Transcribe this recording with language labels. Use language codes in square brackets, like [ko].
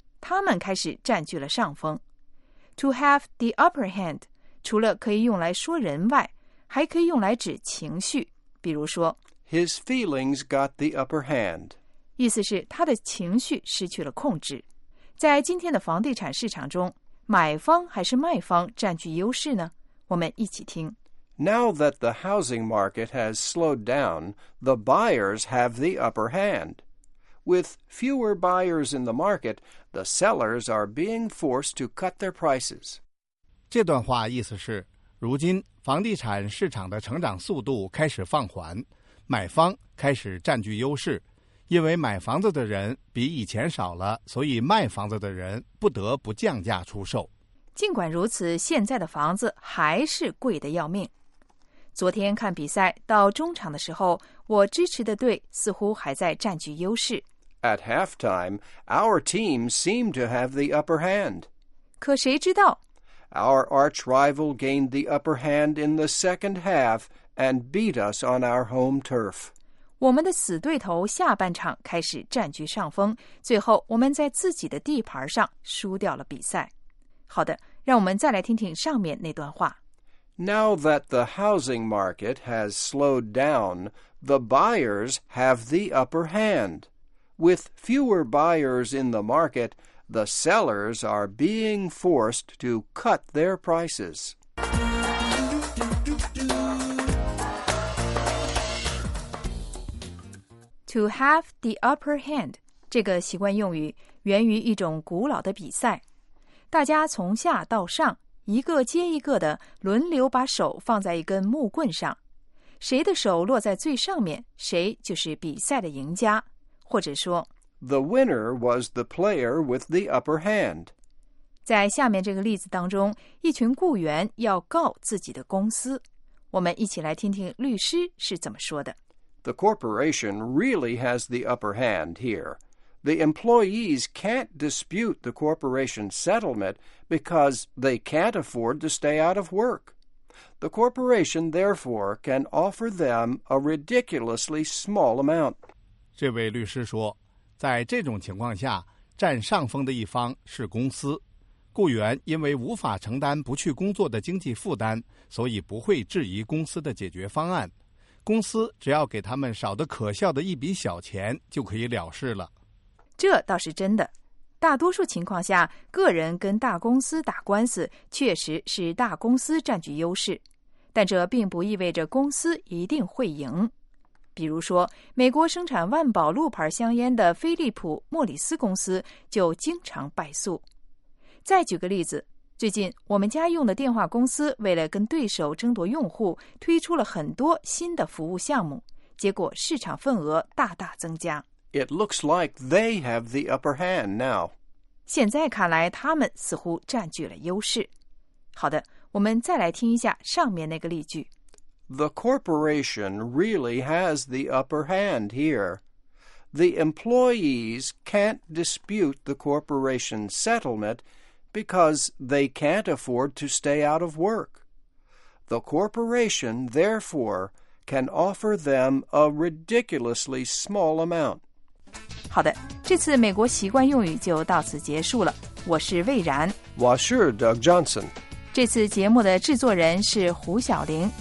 [zh] 他们开始占据了上风 [en] To have the upper hand [zh] 除了可以用来说人外还可以用来指情绪比如说 [en] His feelings got the upper hand [zh] 意思是他的情绪失去了控制在今天的房地产市场中买方还是卖方占据优势呢？我们一起听。 [en] Now that the housing market has slowed down, the buyers have the upper hand. With fewer buyers in the market, the sellers are being forced to cut their prices. [zh] 这段话意思是，如今房地产市场的成长速度开始放缓，买方开始占据优势。因为买房子的人比以前少了，所以卖房子的人不得不降价出售。尽管如此，现在的房子还是贵得要命。昨天看比赛，到中场的时候，我支持的队似乎还在占据优势。 [en] At halftime, our team seemed to have the upper hand. [zh] 可谁知道 [en] Our arch rival gained the upper hand in the second half and beat us on our home turf. [zh] 我们的死对头下半场开始占据上风，最后我们在自己的地盘上输掉了比赛。好的，让我们再来听听上面那段话。 [en] Now that the housing market has slowed down, the buyers have the upper hand. With fewer buyers in the market, the sellers are being forced to cut their prices. 。 To have the upper hand [zh] 这个习惯用语源于一种古老的比赛，大家从下到上，一个接一个的轮流把手放在一根木棍上，谁的手落在最上面，谁就是比赛的赢家，或者说 [en] The winner was the player with the upper hand. [zh] 在下面这个例子当中，一群雇员要告自己的公司，我们一起来听听律师是怎么说的。 [en] The corporation really has the upper hand here. The employees can't dispute the corporation's settlement because they can't afford to stay out of work. The corporation, therefore, can offer them a ridiculously small amount. [zh] 这位律师说，在这种情况下，占上风的一方是公司。雇员因为无法承担不去工作的经济负担，所以不会质疑公司的解决方案。公司只要给他们少得可笑的一笔小钱就可以了事了。这倒是真的，大多数情况下，个人跟大公司打官司确实是大公司占据优势，但这并不意味着公司一定会赢。比如说，美国生产万宝路牌香烟的菲利普·莫里斯公司就经常败诉。再举个例子，最近我们家用的电话公司为了跟对手争夺用户，推出了很多新的服务项目，结果市场份额大大增加。 [en] It looks like they have the upper hand now. [zh] 现在看来他们似乎占据了优势。好的，我们再来听一下上面那个例句。 [en] The corporation really has the upper hand here. The employees can't dispute the corporation's settlement because they can't afford to stay out of work. The corporation, therefore, can offer them a ridiculously small amount. [zh] 好的，这次美国习惯用语就到此结束了。我是魏然。我是 Doug Johnson。这次节目的制作人是胡晓玲。